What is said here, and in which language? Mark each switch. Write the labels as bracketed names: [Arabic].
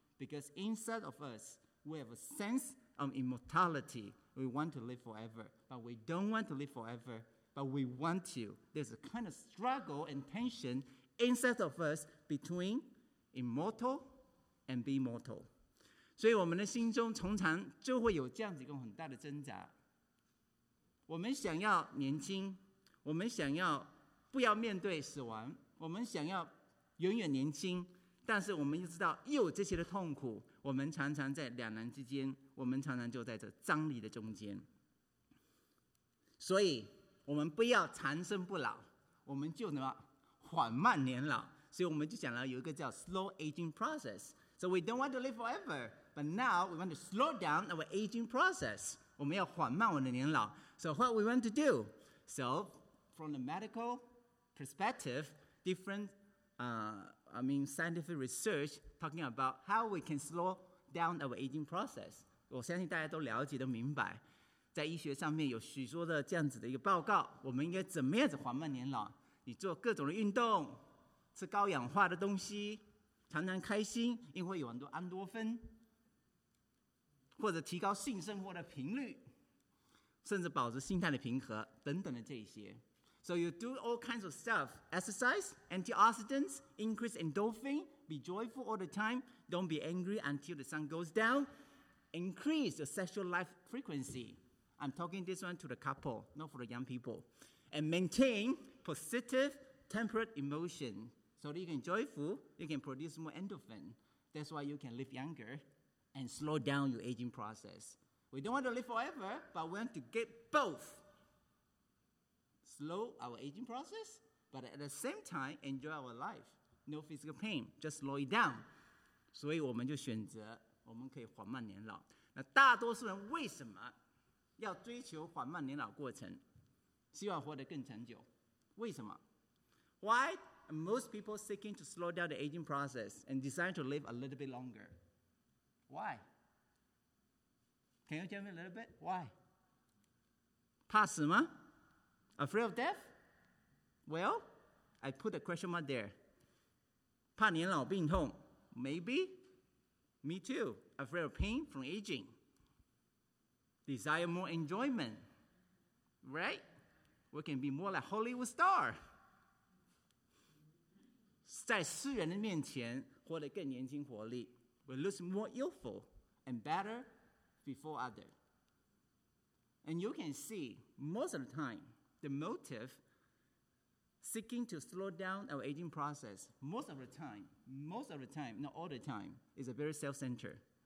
[English] Because inside of us, we have a sense of immortality. We want to live forever, but we don't want to live forever, but we want to. There's a kind of struggle and tension inside of us between immortal and be mortal. [Chinese] 所以我们的心中通常就会有这样子一个很大的挣扎。我们想要年轻，我们想要不要面对死亡，我们想要永远年轻，但是我们又知道又有这些的痛苦，我们常常在两难之间，我们常常就在这张力的中间。所以我们不要长生不老，我们就能缓慢年老。所以我们就讲了有一个叫 [English] slow aging process. So we don't want to live forever, but now we want to slow down our aging process. [Chinese] 我们要缓慢我们的年老。 [English] So what we want to do? So,from the medical perspective, scientific research talking about how we can slow down our aging process. [Chinese] 我相信大家都了解都明白，在医学上面有许多的这样子的一个报告，我们应该怎么样子缓慢年老。你做各种的运动，吃高氧化的东西，常常开心，因为有很多安多芬，或者提高性生活的频率，甚至保持心态的平和等等的这些。 [English] So you do all kinds of stuff. Exercise, antioxidants, increase endorphin, be joyful all the time, don't be angry until the sun goes down, increase your sexual life frequency. I'm talking this one to the couple, not for the young people. And maintain positive, temperate emotion so that you can be joyful, you can produce more endorphin. That's why you can live younger and slow down your aging process. We don't want to live forever, but we want to get both. Slow our aging process, but at the same time, enjoy our life. No physical pain, just slow it down. [Chinese] 所以我们就选择我们可以缓慢年老。那大多数人为什么要追求缓慢年老过程？希望活得更长久。为什么？ [English] Why are most people seeking to slow down the aging process and desire to live a little bit longer? Why? Can you tell me a little bit? Why? [Chinese] 怕死吗？ [English] Afraid of death? Well, I put a question mark there. [Chinese] 怕年老病痛? [English] Maybe. Me too. afraid of pain from aging. Desire more enjoyment, right? We can be more like Hollywood star. [Chinese] 在世人的面前活得更年轻活力。 [English] We look more youthful and better before others. And you can see, most of the time, the motive seeking to slow down our aging process, most of the time, not all the time, is a very self-centered.